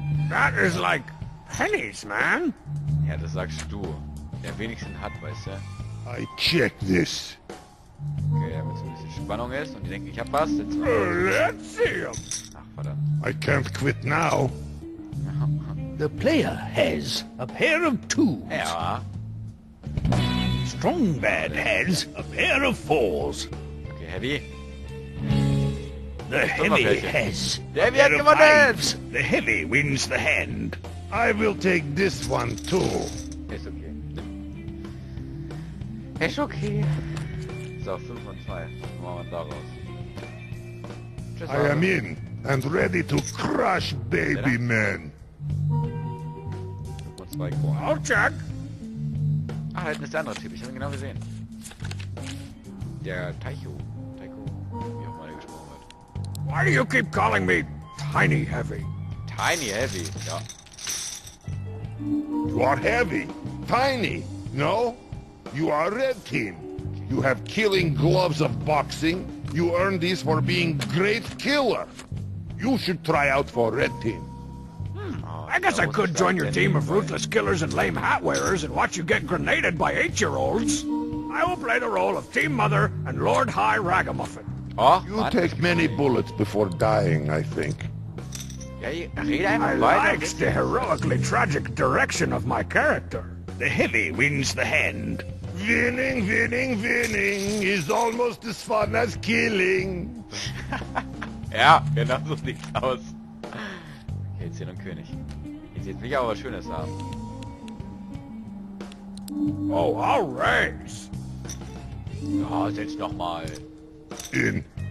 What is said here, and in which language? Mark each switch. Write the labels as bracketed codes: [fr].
[en] That is like pennies, man. [de] Ja, das sagst du. Der wenigsten hat, weißt du. [en] I check this. [de] Okay, damit es ein bisschen Spannung ist und die denken, ich hab was. Jetzt [en] let's see him. [de] Ach, verdammt. [en] I can't quit now. The player has a pair of twos. [de] Ja. [en] Strong Bad has a pair of fours. Okay, Heavy. The Heavy has a pair of fives. The Heavy wins the hand. I will take this one too. [de] Ist okay. Ist okay. So, 5 und 2. Machen wir da raus. [en] I am in and ready to crush baby men. I'll check. [de] Ah, das ist der andere Typ. Ich habe ihn genau gesehen. Der Taiko. Taiko. Wie auch mal er gesprochen wird. [en] Why do you keep calling me Tiny Heavy? Tiny Heavy? Ja. You are heavy. Tiny. No? You are red team. You have killing gloves of boxing. You earn this for being great killer. You should try out for red team. I guess I could join your team of ruthless killers and lame hat wearers and watch you get grenaded by 8-year-olds. I will play the role of Team Mother and Lord High Ragamuffin. Oh, you take many bullets before dying, I think. I like the heroically tragic direction of my character. The heavy wins the hand. Winning, winning, winning is almost as fun as killing. [de] Yeah, genau so sieht's aus. Okay, 10 und König. Jetzt will ich aber was Schönes haben. [en] Oh, I'll race! [de] Ja, setz doch mal. [en] In.